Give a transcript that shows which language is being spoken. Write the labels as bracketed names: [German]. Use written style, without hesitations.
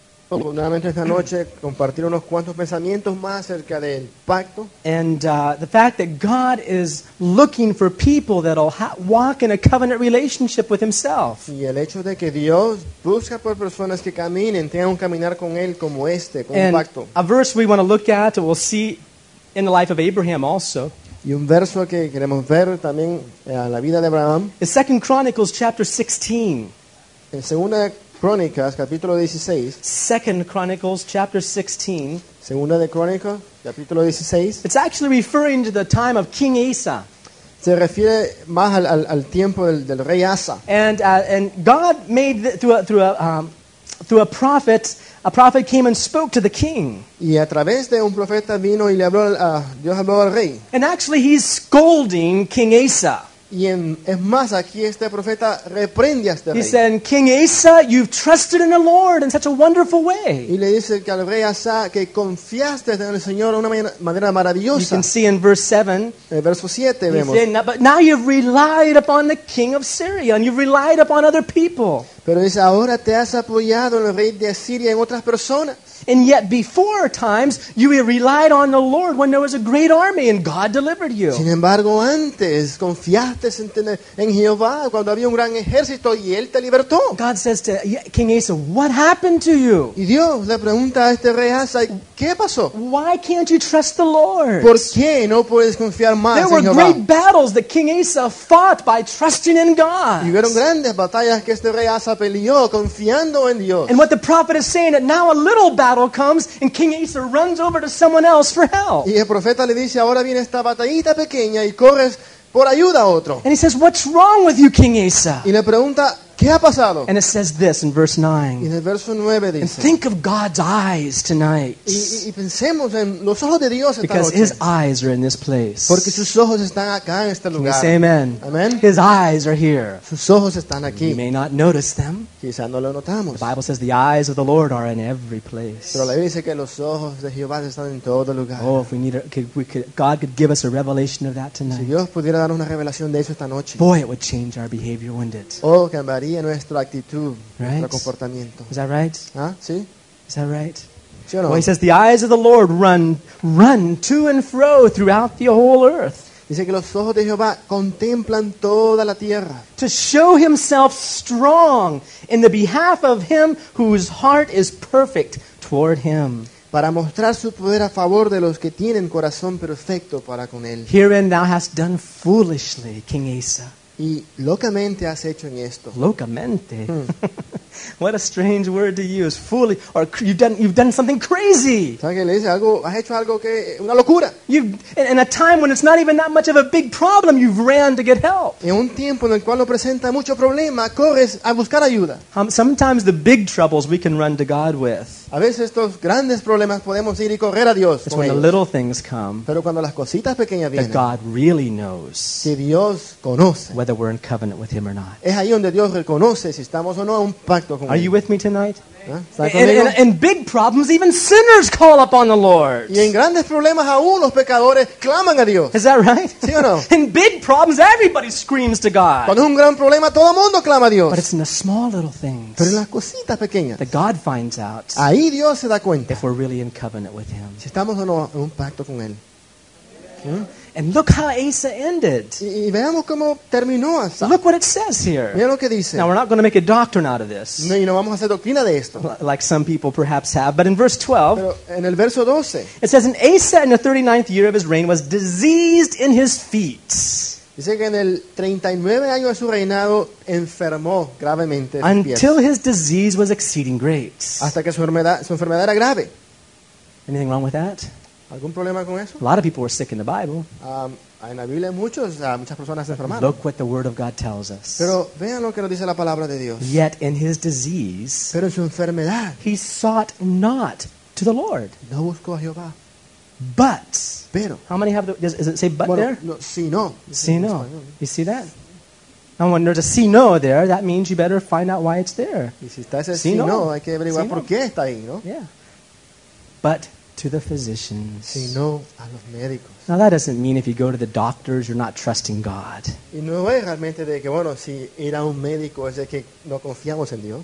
[Spanish] Afortunadamente esta noche compartir unos cuantos pensamientos más acerca del pacto. [English] And the fact that God is looking for people that'll walk in a covenant relationship with Himself. [Spanish] Y el hecho de que Dios busca por personas que caminen, tengan un caminar con Él como este, con [English] and [Spanish] un pacto. [English] A verse we want to look at, we'll see in the life of Abraham also. [Spanish] Y un verso que queremos ver también en la vida de Abraham. [English] Is 2 Chronicles chapter 16. [Spanish] En segunda Crónicas, capítulo 16. [English] 2 Chronicles, chapter 16. [Spanish] Segunda de Crónicas, capítulo 16. [English] It's actually referring to the time of King Asa. [Spanish] Se refiere más al tiempo del rey Asa. [English] And God made through a prophet came and spoke to the king. [Spanish] Y a través de un profeta vino y le habló Dios habló al rey. [English] And actually he's scolding King Asa. [Spanish] Y es más, aquí este profeta reprende a este rey. [English] He said, King Asa, you've trusted in the Lord in such a wonderful way. [Spanish] Y le dice que al rey Asa que confiaste en el Señor de una manera maravillosa. [English] You can see in verse 7. [Spanish] En verso 7 vemos. [English] He said, but now you've relied upon the king of Syria and you've relied upon other people. [Spanish] Pero dice, ahora te has apoyado en el rey de Asiria y en otras personas. [English] And yet before times you relied on the Lord when there was a great army and God delivered you. [Spanish] Sin embargo, antes confiaste en Jehová cuando había un gran ejército y él te libertó. [English] God says to King Asa, what happened to you? [Spanish] Y Dios le pregunta a este rey Asa, ¿qué pasó? [English] Why can't you trust the Lord? [Spanish] ¿Por qué no puedes confiar más en Jehová? [English] There were great battles that King Asa fought by trusting in God. [Spanish] Y hubieron grandes batallas que este rey Asa peleó confiando en Dios. [English] And what the prophet is saying that now a little battle comes and King Asa runs over to someone else for help. [Spanish] Y el profeta le dice, ahora viene esta batallita pequeña y corres por ayuda a otro. [English] And he says, what's wrong with you, King Asa? [Spanish] Y le pregunta, ¿qué ha pasado? [English] And it says this in verse 9. [Spanish] Y en el verso 9 dice, [English] and think of God's eyes tonight. [Spanish] Y pensemos en los ojos de Dios esta [English] because [Spanish] noche. [English] His eyes are in this place. [Spanish] Porque sus ojos están acá en este lugar. [English] Can you say amen? Amen? His eyes are here. [Spanish] Sus ojos están aquí. [English] You may not notice them. [Spanish] Quizá no lo notamos. [English] The Bible says the eyes of the Lord are in every place. [Spanish] Pero la Biblia dice que los ojos de Jehová están en todo lugar. [English] Oh, if we need God could give us a revelation of that tonight. [Spanish] Si Dios pudiera darnos una revelación de eso esta noche. [English] Boy, it would change our behavior, wouldn't it? [Spanish] Oh, cambiaría nuestra actitud, right? Nuestro comportamiento. [English] Is that right? [Spanish] ¿Ah? ¿Sí? [English] Is that right? [Spanish] ¿Sí o no? [English] Well, he says the eyes of the Lord run to and fro throughout the whole earth. [Spanish] Dice que los ojos de Jehová contemplan toda la tierra. [English] To show himself strong in the behalf of him whose heart is perfect toward him. [Spanish] Para mostrar su poder a favor de los que tienen corazón perfecto para con él. [English] Herein thou hast done foolishly, King Asa. [Spanish] Y locamente has hecho en esto. [English] Locamente. What a strange word to use. Fully or you've done something crazy. [Spanish] ¿Sabes qué le dice? Algo, has hecho algo que una locura. [English] In a time when it's not even that much of a big problem, you've ran to get help. [Spanish] En un tiempo en el cual no presenta mucho problema, corres a buscar ayuda. [English] Sometimes the big troubles we can run to God with. [Spanish] A veces estos grandes problemas podemos ir y correr a Dios. [English] It's when [Spanish] ellos. [English] The little things come. [Spanish] Pero cuando las cositas pequeñas vienen. [English] That God really knows. [Spanish] Que Dios conoce. [English] Whether we're in covenant with him or not. [Spanish] Es ahí donde Dios reconoce si estamos o no en un pacto con él. [English] Are you with me tonight? And big problems, even sinners call upon the Lord. [Spanish] Y en grandes problemas aún los pecadores claman a Dios. [English] Is that right? [Spanish] ¿Sí o no? [English] In big problems, everybody screams to God. [Spanish] Cuando es un gran problema, todo el mundo clama a Dios. [English] But it's in the small little things. [Spanish] Pero en las cositas pequeñas. [English] That God finds out. [Spanish] Ahí Dios se da cuenta. [English] If we're really in covenant with him. [Spanish] Si estamos o no en un pacto con él. [English] And look how Asa ended. [Spanish] Y veamos cómo terminó Asa. [English] Look what it says here. [Spanish] Mira lo que dice. [English] Now we're not going to make a doctrine out of this. [Spanish] No, y no vamos a hacer doctrina de esto. [English] Like some people perhaps have. But in verse 12. [Spanish] Pero en el verso 12. [English] It says, and Asa in the 39th year of his reign was diseased in his feet. [Spanish] Dice que en el 39 año de su reinado enfermó gravemente. [English] Until his disease was exceeding great. [Spanish] Hasta que su enfermedad era grave. [English] Anything wrong with that? [Spanish] ¿Algún problema con eso? [English] A lot of people were sick in the Bible. [Spanish] En la Biblia muchas personas se enfermaron. [English] Look what the Word of God tells us. [Spanish] Pero vean lo que nos dice la palabra de Dios. [English] Yet in his disease, [Spanish] pero en su enfermedad, [English] he sought not to the Lord. [Spanish] No buscó a Jehová. [English] But, [Spanish] pero, [English] how many have the, does it say but [Spanish] bueno, [English] there? [Spanish] No, sino. [English] Sino. You see that? And when there's a sino there, that means you better find out why it's there. [Spanish] Y si está ese sino, hay que averiguar sino. Por qué está ahí, ¿no? [English] Yeah. But, to the physicians. [Spanish] Sino a los médicos. [English] Now that doesn't mean if you go to the doctors, you're not trusting God. [Spanish] Y no es realmente de que, bueno, si ir a un médico es de que no confiamos en Dios.